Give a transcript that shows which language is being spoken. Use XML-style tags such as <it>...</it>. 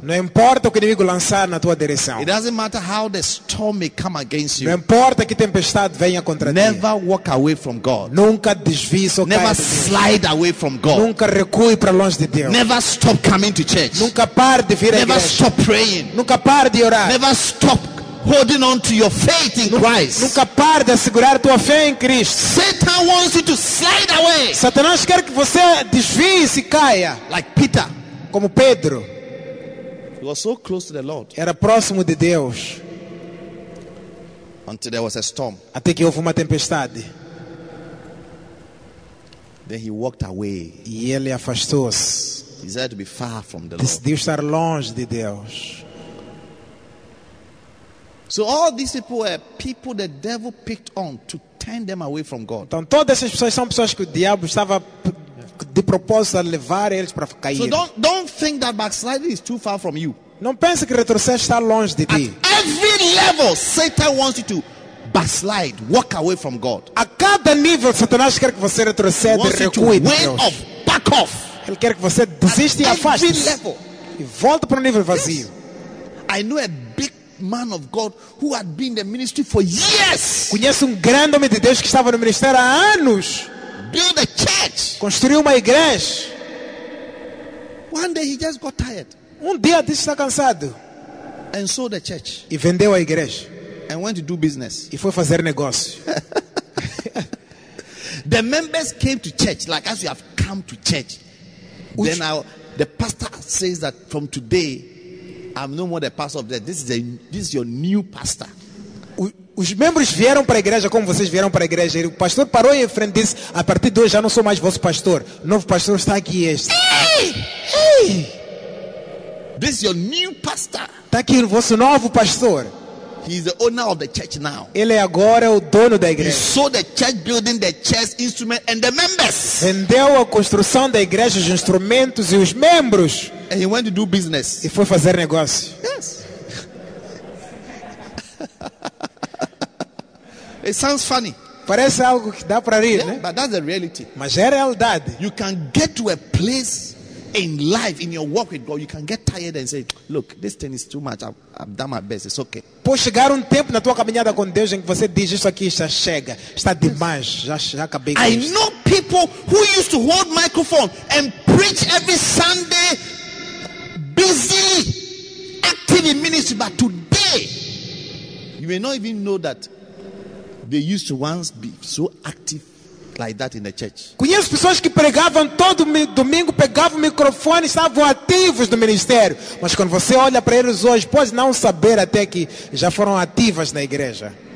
<pt>Não importa o que o inimigo lançar na tua direção.</pt> <en>It doesn't matter how the storm may come against you.</en> <pt>Não importa que tempestade venha contra ti.</pt> <en>Never walk away from God.</en> <pt>Nunca desvie ou</pt> <en>never slide away from God.</en> <pt>Nunca recue para longe de Deus.</pt> <en>Never stop coming to church.</en> <pt>Nunca pare de vir à igreja.</pt> <en>Never stop praying.</en> <pt>Nunca pare de orar.</pt> <en>Never stop holding on to your faith in Christ.</en> <pt>Nunca pare de segurar tua fé em Cristo.</pt> <en>Satan wants you to slide away.</en> <pt>Satanás quer que você desvie e caia.</pt> <en>Like Peter,</en> <pt>como Pedro.</pt> <en>He was so close to the Lord.</en> <pt>Era próximo de Deus.</pt> <en>Until there was a storm.</en> <pt>Até que houve uma tempestade.</pt> <en>Then he walked away.</en> <pt>E ele afastou-se.</pt> <en>He said to be far from the Lord.</en> <pt>Decidiu estar longe de Deus.</pt> <en>So all these people were people the devil picked on to turn them away from God.</en> <pt>Então todas essas pessoas são pessoas que o diabo estava de propósito a levar eles para cair.</pt> <en>So don't think that backsliding is too far from you.</en> <pt>Não pense que retrocesso está longe de ti.</pt> <en>At every level, Satan wants you to backslide, walk away from God.</en> <pt>A cada nível, Satanás quer que você retroceda, recue.</pt> <en>Way off, back off.</en> <pt>Ele quer que você desista e afaste.</pt> <en>Every level.</en> <pt>E volta para um nível vazio.</pt> <en>Yes. I know a big man of God who had been in the ministry for years.</en> <pt>Conheço grande homem de Deus que estava no ministério há anos.</pt> <en>Build a church.</en> <pt>Construiu uma igreja.</pt> <en>One day he just got tired.</en> <pt>Dia disse está cansado.</pt> <en>And sold the church.</en> <pt>E vendeu a igreja.</pt> <en>And went to do business.</en> <pt>E foi fazer negócio.</pt> <en>The members came to church like as you have come to church. Then the pastor says that from today I'm no more the pastor of that. This is your new pastor.</en> <pt>Os membros vieram para a igreja como vocês vieram para a igreja. O pastor parou em frente e disse: a partir de hoje já não sou mais vosso pastor. O novo pastor está aqui este.</pt> <en>Hey! This is your new pastor.</en> <pt>Está aqui o vosso novo pastor.</pt> <en>He is the owner of the church now.</en> <pt>Ele agora é o dono da igreja.</pt> <en>He sold the church building, the chairs, instrument, and the members.</en> <pt>Vendeu a construção da igreja, os instrumentos e os membros.</pt> <en>And he went to do business.</en> <pt>E foi fazer negócio.</pt> <en>Yes. It sounds funny.</en> <pt>Parece algo que dá para rir,</pt> <en>yeah,</en> <pt>né?</pt> <en>But that's the reality.</en> <pt>Mas é realidade.</pt> <en>You can get to a place in life, in your walk with God, you can get tired and say, look, this thing is too much. I've done my best. It's okay.</en> <pt>Pode chegar tempo na tua caminhada com Deus em que você diz isso aqui já chega. Está demais. Já acabei.</pt> <en>I know people who used to hold microphone and preach every Sunday, busy, active in ministry, but today, you may not even know that they used to once be so active like that in the church.</en> <pt>Conheço pessoas que pregavam todo domingo, pegavam o microfone e estavam ativos no ministério. Mas quando você olha para eles hoje, pode não saber até que já foram ativas na igreja.</pt>